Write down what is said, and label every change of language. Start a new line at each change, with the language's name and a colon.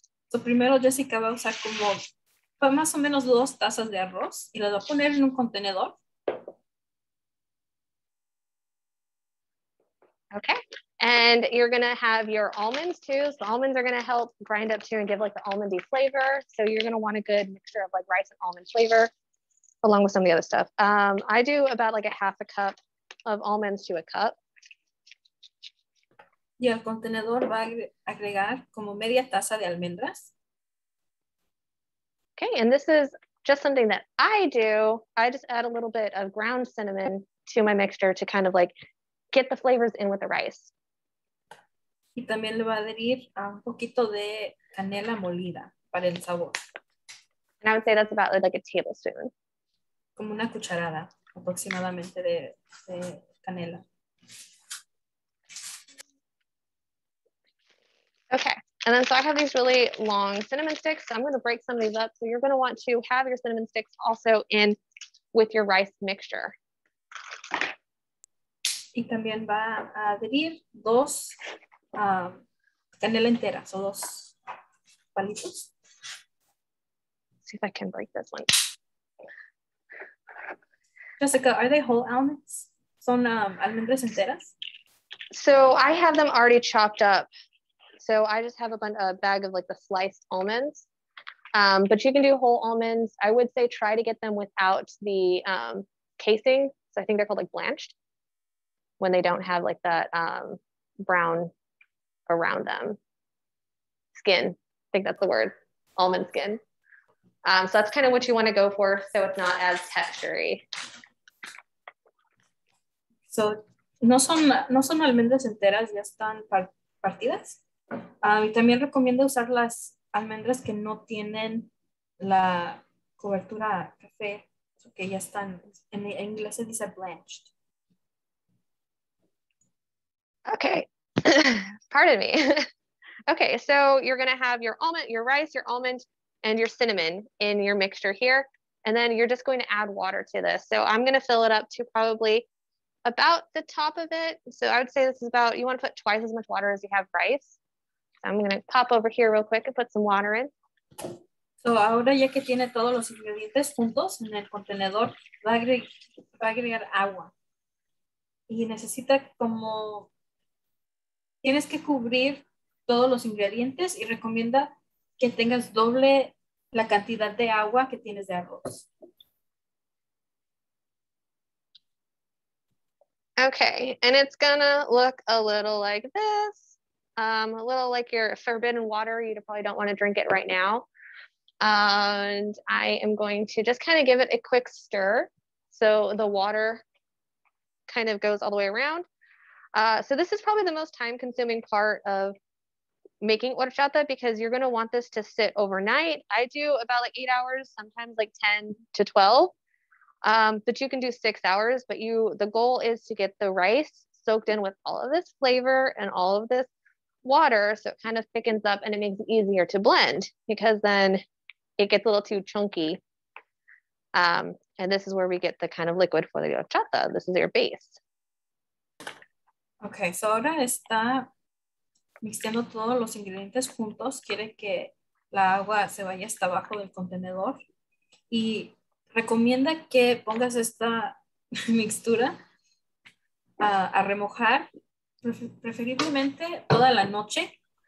Spanish: So primero Jessica va a usar como más o menos 2 tazas de arroz y las va a poner en un contenedor.
English: Okay. And you're going to have your almonds too. So almonds are going to help grind up too and give like the almondy flavor. So you're going to want a good mixture of like rice and almond flavor along with some of the other stuff. I do about like 1/2 cup of almonds to 1 cup.
Spanish: Y el contenedor va a agregar como 1/2 taza de almendras.
English: Okay. And this is just something that I do. I just add a little bit of ground cinnamon to my mixture to kind of like get the flavors in with the rice.
Spanish: Y también le va a añadir un poquito de canela molida para el sabor.
English: And I would say that's about like 1 tablespoon.
Spanish: Como 1 cucharada aproximadamente de canela.
English: Okay, and then so I have these really long cinnamon sticks. So I'm going to break some of these up. So you're going to want to have your cinnamon sticks also in with your rice mixture.
Spanish: Y también va a añadir 2 canela entera, so 2 palitos.
English: Let's see if I can break this one. Jessica, are they whole almonds?
Spanish: Son almendras enteras?
English: So I have them already chopped up. So I just have a bag of like the sliced almonds. But you can do whole almonds. I would say try to get them without the casing. So I think they're called like blanched when they don't have like that brown around them. Skin, I think that's the word, almond skin. So that's kind of what you want to go for so it's not as textury.
Spanish: So no son almendras enteras, ya están partidas. Y también recomiendo usar las almendras que no tienen la cobertura café, que ya están, en inglés se dice blanched.
English: Okay. Pardon me. Okay, so you're going to have your almond, your rice, your almond, and your cinnamon in your mixture here. And then you're just going to add water to this. So I'm going to fill it up to probably about the top of it. So I would say this is about, you want to put twice as much water as you have rice. So I'm going to pop over here real quick and put some water in.
Spanish: So ahora ya que tiene todos los ingredientes juntos en el contenedor, va a agregar agua. Y necesita como... Tienes que cubrir todos los ingredientes y recomienda que tengas doble la cantidad de agua que tienes de arroz.
English: Okay, and it's gonna look a little like this, a little like your forbidden water. You probably don't want to drink it right now. And I am going to just kind of give it a quick stir so the water kind of goes all the way around. So this is probably the most time consuming part of making horchata because you're going to want this to sit overnight. I do about like 8 hours, sometimes like 10 to 12, but you can do 6 hours, but the goal is to get the rice soaked in with all of this flavor and all of this water. So it kind of thickens up and it makes it easier to blend because then it gets a little too chunky. And this is where we get the kind of liquid for the horchata. This is your base.
Spanish: Okay, so ahora está mixtiendo todos los ingredientes juntos. Quiere que la agua se vaya hasta abajo del contenedor. Y recomienda que pongas esta mixtura a remojar, preferiblemente toda la noche.